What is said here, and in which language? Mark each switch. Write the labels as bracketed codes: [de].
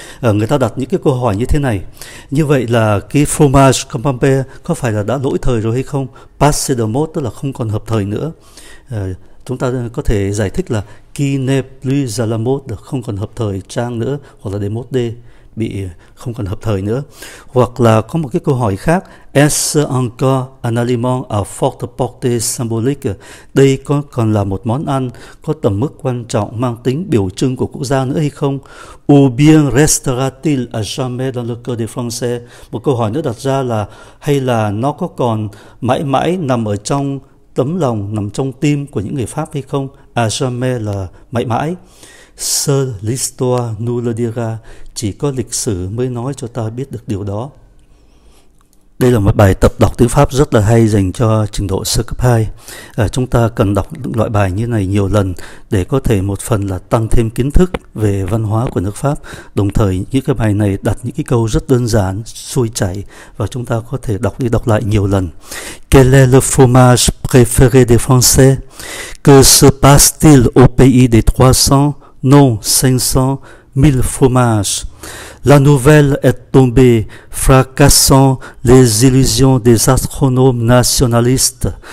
[vi] Người ta đặt những cái câu hỏi như thế này. Như vậy là cái fromage camembert có phải là đã lỗi thời rồi hay không? Passé de mode tức là không còn hợp thời nữa. Chúng ta có thể giải thích là [fr] qui n'est plus à la mode, [vi] không còn hợp thời trang nữa, hoặc là de mode, bị không còn hợp thời nữa. Hoặc là có một cái câu hỏi khác, [fr] est-ce encore un aliment à forte portée symbolique, [vi] đây có còn là một món ăn có tầm mức quan trọng mang tính biểu trưng của quốc gia nữa hay không? [fr] Ou bien restera-t-il à jamais dans le cœur des Français? [vi] Một câu hỏi nữa đặt ra là hay là nó có còn mãi mãi nằm ở trong tấm lòng, nằm trong tim của những người Pháp hay không? [fr] À jamais [vi] là mãi mãi. [fr] Seule l'histoire nous le dira. [vi] Chỉ có lịch sử mới nói cho ta biết được điều đó. Đây là một bài tập đọc tiếng Pháp rất là hay dành cho trình độ sơ cấp 2. Chúng ta cần đọc loại bài như này nhiều lần để có thể một phần là tăng thêm kiến thức về văn hóa của nước Pháp. Đồng thời những cái bài này đặt những cái câu rất đơn giản, xuôi chảy, và chúng ta có thể đọc đi đọc lại nhiều lần. [fr] Quel est le fromage préféré des Français? Que se passe-t-il au pays des 300, non 500, 1000 fromages? La nouvelle est tombée, fracassant les illusions des astronomes nationalistes.